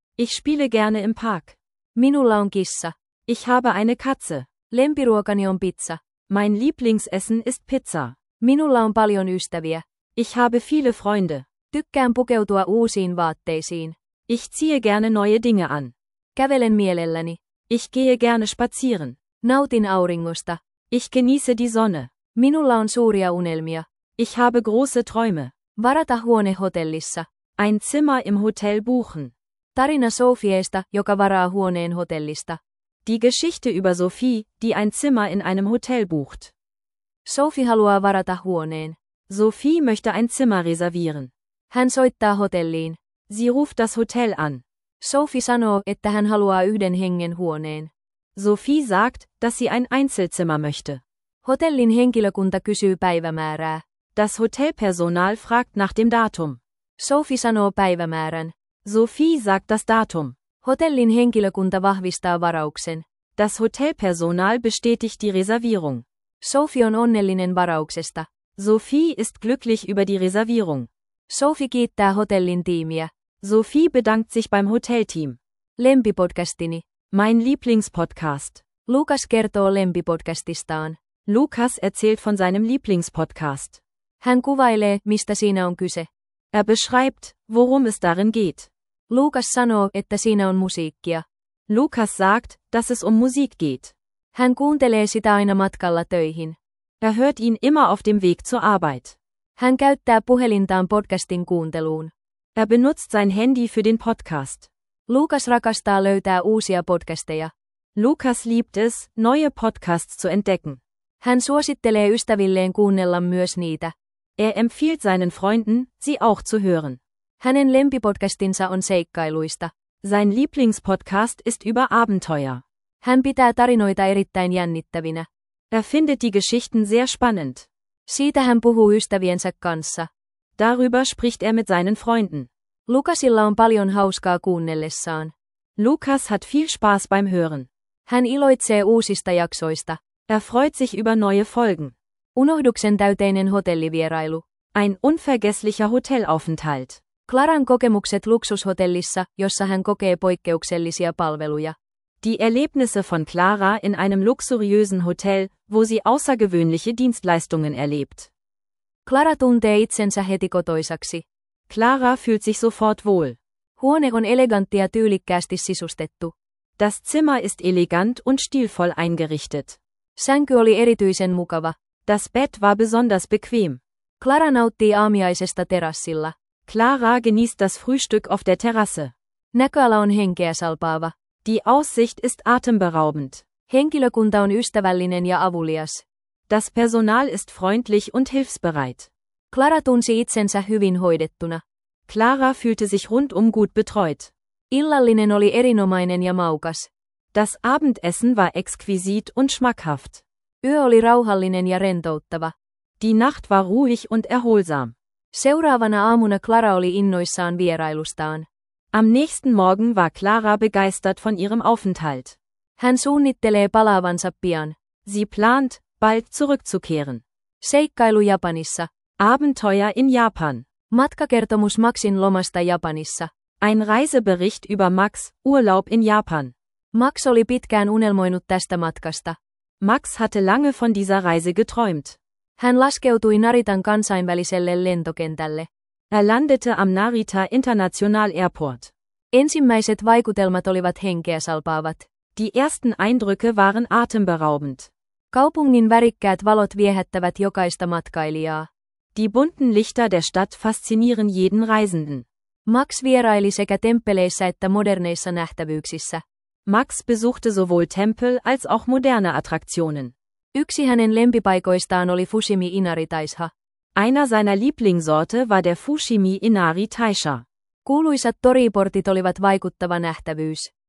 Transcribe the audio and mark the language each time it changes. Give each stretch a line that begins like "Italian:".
German: Ich spiele gerne im Park.
Finnish: Minulla on kissa.
German: Ich habe eine Katze.
Finnish: Lempiruokani on pizza.
German: Mein Lieblingsessen ist Pizza.
Finnish: Minulla on paljon ystäviä.
German: Ich habe viele Freunde.
Finnish: Tykkään pukeutua uusiin vaatteisiin.
German: Ich ziehe gerne neue Dinge an.
Finnish: Kävelen mielelläni.
German: Ich gehe gerne spazieren.
Finnish: Nautin auringosta.
German: Ich genieße die Sonne.
Finnish: Minulla on suuria unelmia.
German: Ich habe große Träume.
Finnish: Varata huone hotellissa.
German: Ein Zimmer im Hotel buchen.
Finnish: Tarina Sofieesta, joka varaa huoneen hotellista.
German: Die Geschichte über Sophie, die ein Zimmer in einem Hotel bucht.
Finnish: Sophie haluaa varata huoneen.
German: Sophie möchte ein Zimmer reservieren.
Finnish: Hän soittaa hotelliin.
German: Sie ruft das Hotel an.
Finnish: Sophie sanoo, että hän haluaa yhden hengen huoneen.
German: Sophie sagt, dass sie ein Einzelzimmer möchte.
Finnish: Hotellin henkilökunta kysyy päivämäärää.
German: Das Hotelpersonal fragt nach dem Datum.
Finnish: Sophie sanoo päivämäärän.
German: Sophie sagt das Datum.
Finnish: Hotellin henkilökunta vahvistaa varauksen.
German: Das Hotelpersonal bestätigt die Reservierung.
Finnish: Sophie on onnellinen varauksesta.
German: Sophie ist glücklich über die Reservierung.
Finnish: Sophie kiittää hotellin tiimiä.
German: Sophie bedankt sich beim Hotelteam.
Finnish: Lempipodcastini.
German: Mein Lieblingspodcast.
Finnish: Lukas kertoo lempipodcastistaan.
German: Lukas erzählt von seinem Lieblingspodcast.
Finnish: Hän kuvailee, mistä siinä on kyse.
German: Er beschreibt, worum es darin geht.
Finnish: Lukas sanoo, että siinä on musiikkia.
German: Lukas sagt, dass es um Musik geht.
Finnish: Hän kuuntelee sitä aina matkalla töihin.
German: Er hört ihn immer auf dem Weg zur Arbeit.
Finnish: Hän käyttää puhelintaan podcastin kuunteluun.
German: Er benutzt sein Handy für den Podcast.
Finnish: Lukas rakastaa löytää uusia podcasteja.
German: Lukas liebt es, neue Podcasts zu entdecken.
Finnish: Hän suosittelee ystävilleen kuunnella myös niitä.
German: Er empfiehlt seinen Freunden, sie auch zu hören.
Finnish: Hänen lempipodcastinsa on seikkailuista.
German: Sein Lieblingspodcast ist über Abenteuer.
Finnish: Hän pitää tarinoita erittäin jännittävinä.
German: Er findet die Geschichten sehr spannend.
Finnish: Siitä hän puhuu ystäviensä kanssa.
German: Darüber spricht er mit seinen Freunden.
Finnish: Lukasilla on paljon hauskaa kuunnellessaan.
German: Lukas hat viel Spaß beim Hören.
Finnish: Hän iloitsee uusista jaksoista.
German: Er freut sich über neue Folgen.
Finnish: Unohduksen täyteinen hotellivierailu.
German: Ein unvergesslicher Hotelaufenthalt.
Finnish: Klaran kokemukset luksushotellissa, jossa hän kokee poikkeuksellisia palveluja.
German: Die Erlebnisse von Clara in einem luxuriösen Hotel, wo sie außergewöhnliche Dienstleistungen erlebt.
Finnish: Clara tuntee itsensä heti kotoisaksi.
German: Clara fühlt sich sofort wohl.
Finnish: Huone on elegantti ja tyylikkäästi sisustettu.
German: Das Zimmer ist elegant und stilvoll eingerichtet.
Finnish: Sänky oli erityisen mukava.
German: Das Bett war besonders bequem.
Finnish: Clara nauttii aamiaisesta terassilla.
German: Clara genießt das Frühstück auf der Terrasse.
Finnish: Näköala on henkeä salpaava.
German: Die Aussicht ist atemberaubend.
Finnish: Henkilökunta on ystävällinen ja avulias.
German: Das Personal ist freundlich und hilfsbereit.
Finnish: Clara tunsi itsensä hyvin hoidettuna.
German: Clara fühlte sich rundum gut betreut.
Finnish: Illallinen oli erinomainen ja maukas.
German: Das Abendessen war exquisit und schmackhaft.
Finnish: Yö oli rauhallinen ja rentouttava.
German: Die Nacht war ruhig und erholsam.
Finnish: Seuraavana aamuna Clara oli innoissaan vierailustaan.
German: Am nächsten Morgen war Clara begeistert von ihrem Aufenthalt.
Finnish: Hän suunnittelee palaavansa pian.
German: Sie plant, bald zurückzukehren.
Finnish: Seikkailu Japanissa.
German: Abenteuer in Japan.
Finnish: Matkakertomus Maxin lomasta Japanissa.
German: Ein Reisebericht über Max, Urlaub in Japan.
Finnish: Max oli pitkään unelmoinut tästä matkasta.
German: Max hatte lange von dieser Reise geträumt.
Finnish: Hän laskeutui Naritan kansainväliselle lentokentälle.
German: Er landete am Narita International Airport.
Finnish: Ensimmäiset vaikutelmat olivat henkeä salpaavat.
German: Die ersten Eindrücke waren atemberaubend.
Finnish: Kaupungin värikkäät valot viehättävät jokaista matkailijaa.
German: Die bunten Lichter der Stadt faszinieren jeden Reisenden.
Finnish: Max vieraili sekä temppeleissä että moderneissa nähtävyyksissä.
German: Max besuchte sowohl Tempel als auch moderne Attraktionen.
Finnish: Yksi hänen lempipaikoistaan oli Fushimi Inari Taisha.
German: Einer seiner Lieblingsorte war der Fushimi Inari Taisha.
Finnish: Kuuluisat toriportit olivat vaikuttava nähtävyys.